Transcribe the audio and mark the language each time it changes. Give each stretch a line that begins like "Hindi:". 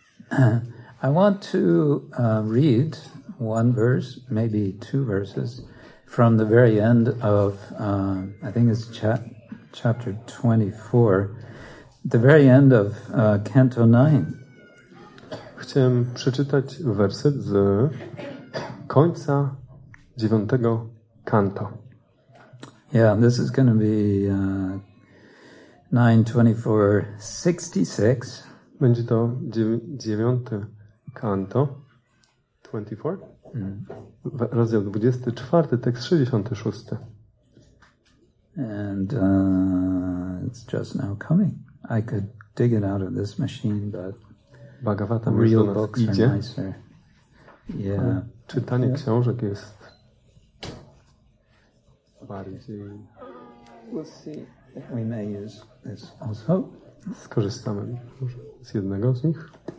English: I want to read one verse, maybe two verses, from the very end of, I think it's chapter 24, the very end of Canto 9.
Polish: Chciałem przeczytać werset z końca dziewiątego kanto.
English: Yeah, this is going to be 9:24:66.
Polish: Będzie to dziewiąty kanto, 24, rozdział 24, tekst 66.
English: And it's just now coming. I could dig it out of this machine, but Bhagavatam real books
Polish: idzie.
English: Are nicer. Yeah.
Polish: Czytanie książek jest bardziej...
English: We'll see. We may use this also.
Polish: Skorzystamy z jednego z nich.